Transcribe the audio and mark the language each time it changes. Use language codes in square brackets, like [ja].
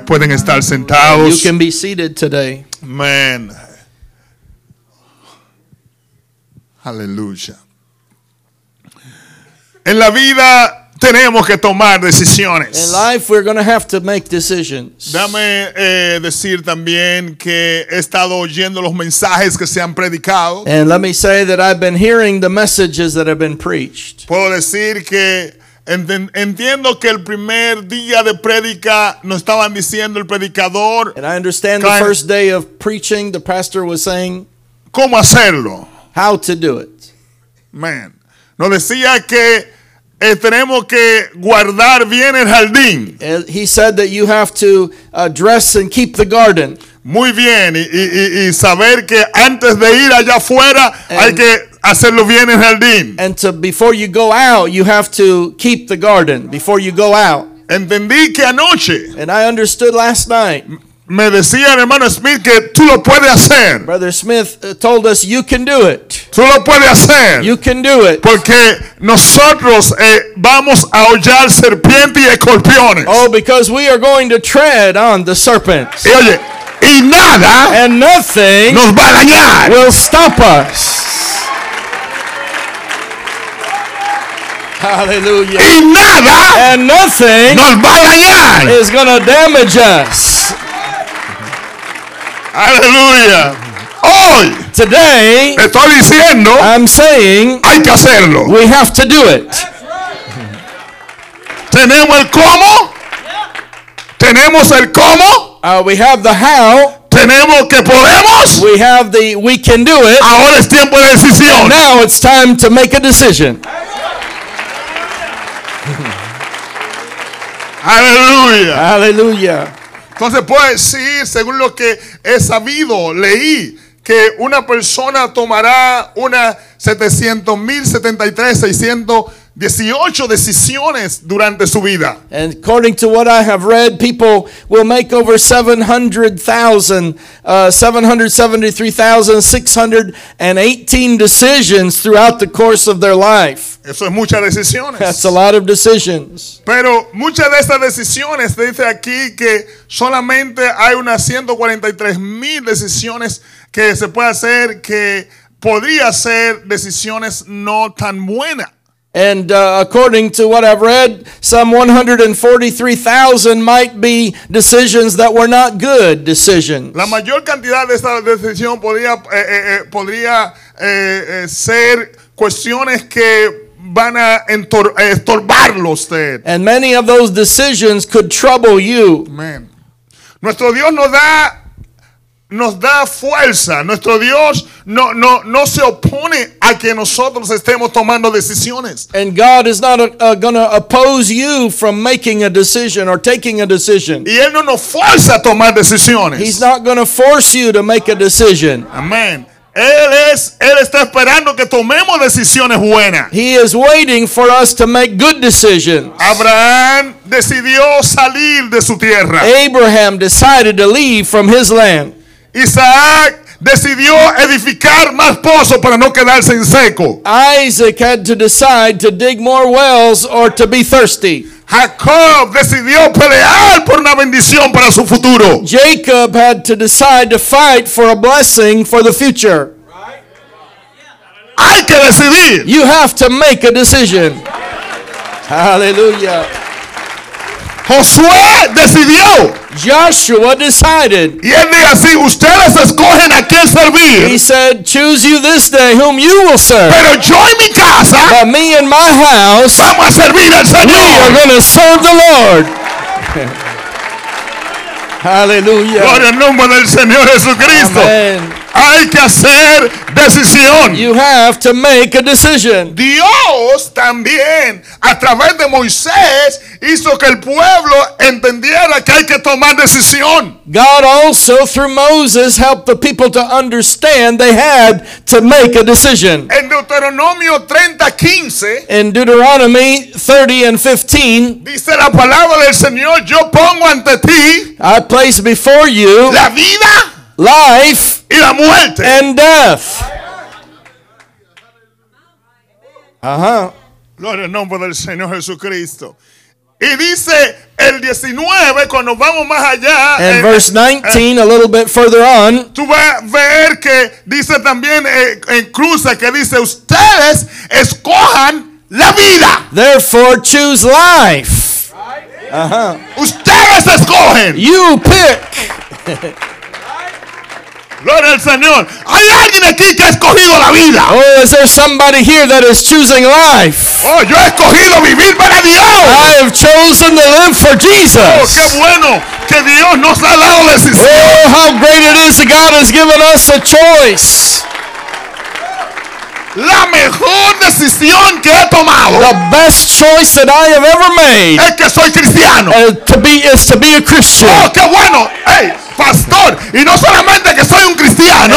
[es] Pueden estar sentados. [en] You can be seated today. Man. [es] Aleluya. En la vida tenemos que tomar decisiones. [en] In life we're going to have to make decisions. [es] Dame decir también que he estado oyendo los mensajes que se han predicado. [en] And let me say that I've been hearing the messages that have been preached. [es] Puedo decir que entiendo que el primer día de prédica nos estaban diciendo el predicador. [en] And I understand the first day of preaching, the pastor was saying, [es] ¿cómo hacerlo? [en] How to do it. Man. [es] Nos decía que tenemos que guardar bien el jardín. [en] He said that you have to dress and keep the garden. [es] Muy bien. Y saber que antes de ir allá afuera hay que hacerlo bien en jardín. [en] And to, before you go out, you have to keep the garden before you go out. [es] Entendí que anoche. [en] And I understood last night. [es] Me decía el hermano Smith que tú lo puedes hacer. [en] Brother Smith told us you can do it. [es] Tú lo puedes hacer. [en] You can do it. [es] Porque nosotros vamos a hollar serpientes y escorpiones. [en] Oh, because we are going to tread on the serpents. [es] Y oye, y nada. [en] And nothing. [es] Nos va a dañar. [en] Will stop us. Hallelujah. [es] Y nada. [en] And nothing. [es] Nos va a dañar. [en] Is going to damage us. Hallelujah. [es] Hoy. [en] today, [es] estoy diciendo, [en] I'm saying, [es] hay que hacerlo. [en] We have to do it. That's right. [es] Tenemos el cómo. Tenemos el cómo. [en] We have the how. [es] Tenemos que podemos. [en] We have the we can do it. [es] Ahora es tiempo de decisión. [en] And now it's time to make a decision. Hallelujah. Hallelujah. [es] Entonces puedo decir, según lo que he sabido, leí, que una persona tomará una 700,073,618 decisiones durante su vida. [en] And according to what I have read, people will make over 773,618 decisions throughout the course of their life. [es] Eso es muchas decisiones. [en] That's a lot of decisions. [es] Pero muchas de esas decisiones, dice aquí que solamente hay unas 143,000 decisiones que se puede hacer, que podría ser decisiones no tan buenas. [en] And according to what I've read, some 143,000 might be decisions that were not good decisions. [es] La mayor cantidad de esta decisión podría ser cuestiones que van a estorbarlo usted. [en] And many of those decisions could trouble you. [es] Amen. Nuestro Dios nos da fuerza. Nuestro Dios no se opone a que nosotros estemos tomando decisiones. [en] And God is not going to oppose you from making a decision or taking a decision. [es] Y Él no nos fuerza a tomar decisiones. [en] He's not going to force you to make a decision. [es] Amen. Él está esperando que tomemos decisiones buenas. [en] He is waiting for us to make good decisions. [es] Abraham decidió salir de su tierra. [en] Abraham decided to leave from his land. [es] Isaac decidió edificar más pozos para no quedarse en seco. [en] Isaac had to decide to dig more wells or to be thirsty. [es] Jacob decidió pelear por una bendición para su futuro. [en] Jacob had to decide to fight for a blessing for the future. [es] Hay que decidir. [en] You have to make a decision. Hallelujah. [es] Josué decidió. [en] Joshua decided. [es] Y él dijo así, ustedes escogen a quién servir. [en] He said, choose you this day whom you will serve. [es] Pero yo en mi casa. [en] But me and my house. [es] Vamos a servir al Señor. [en] We are going to serve the Lord. Hallelujah. [es] Gloria al nombre del Señor Jesucristo. [en] Amen. [es] Hay que hacer decisión. [en] You have to make a decision. [es] Dios también, a través de Moisés, hizo que el pueblo entendiera que hay que tomar decisión. [en] God also, through Moses, helped the people to understand they had to make a decision. [es] En Deuteronomio 30:15, [en] in Deuteronomy 30:15, [es] dice la palabra del Señor, yo pongo ante ti, [en] I place before you, [es] la vida, [en] life, [es] y la muerte, [en] and death. [es] Gloria al nombre del Señor Jesucristo. Y dice el 19, cuando vamos más allá, [en] en verse 19, a little bit further on, [es] tú vas a ver que dice también en cruza que dice ustedes escojan la vida. [en] Therefore choose life. [es] Ustedes escogen. [en] You pick. [es] Gloria al Señor. Hay alguien aquí que ha escogido la vida. [en] Oh, is there somebody here that is choosing life? [es] Oh, yo he escogido vivir para Dios. [en] I have chosen to live for Jesus. [es] Oh, qué bueno que Dios nos ha dado la decisión. [en] Oh, how great it is that God has given us a choice. [es] La mejor decisión que he tomado. [en] The best choice that I have ever made. [es] Es que soy cristiano. [en] Is to be a Christian. [es] Oh, qué bueno. Hey, pastor, y no solamente que soy un cristiano.